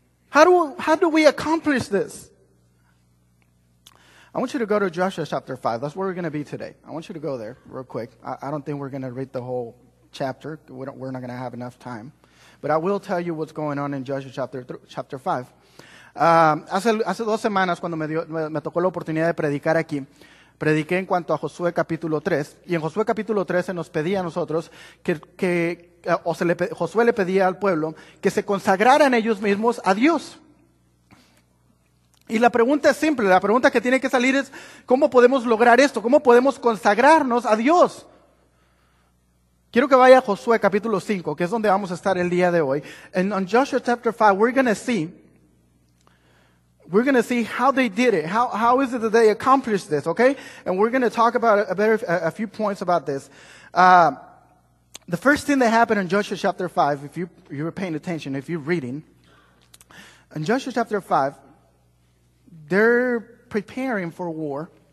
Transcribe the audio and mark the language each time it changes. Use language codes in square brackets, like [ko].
[en] How do we accomplish this? I want you to go to Joshua chapter 5. That's where we're going to be today. I want you to go there real quick. I don't think we're going to read the whole chapter. We're not going to have enough time. But I will tell you what's going on in Joshua chapter 5. [es] Hace dos semanas, cuando me tocó la oportunidad de predicar aquí, prediqué en cuanto a Josué capítulo 3. Y en Josué capítulo 3 se nos pedía a nosotros Josué le pedía al pueblo que se consagraran ellos mismos a Dios. Y la pregunta es simple, la pregunta que tiene que salir es, ¿cómo podemos lograr esto? ¿Cómo podemos consagrarnos a Dios? Quiero que vaya a Josué capítulo 5, que es donde vamos a estar el día de hoy. [en] And on Joshua chapter 5, we're going to see how they did it. How is it that they accomplished this, okay? And we're going to talk about a few points about this. The first thing that happened in Joshua chapter 5, if you're paying attention, if you're reading, in Joshua chapter 5, they're preparing for war.